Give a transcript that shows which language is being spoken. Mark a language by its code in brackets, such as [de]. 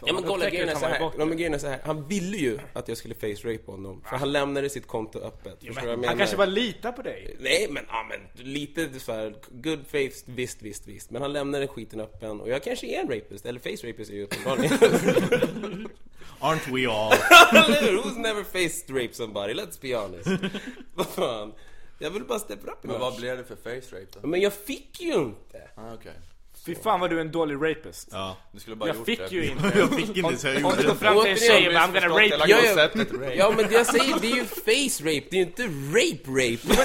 [sv] Ja, men grejen är så här. Han ville ju att jag skulle face rape honom. För han lämnade sitt konto öppet. Han kanske bara litar på dig. Nej, men lite så här, good face, visst. Men han lämnade skiten öppen. Och jag kanske är en rapist. Eller face rapist är ju uppenbarligen. [en] Aren't we all? Who's never faced rape somebody? Let's be honest. [sv] Vad fan? Jag vill bara steppa upp. Men vad blev det för face rape då? Men jag fick ju inte. Okej. Fy fan vad du är en dålig rapist. Ja. Du skulle bara jag gjort fick det. Ju inte. Jag fick inte, så jag gjorde det. Om du fram till en tjej, men [en] I'm gonna rape you. [sv] Ja, men jag säger, det är ju face rape. Det är ju inte rape rape.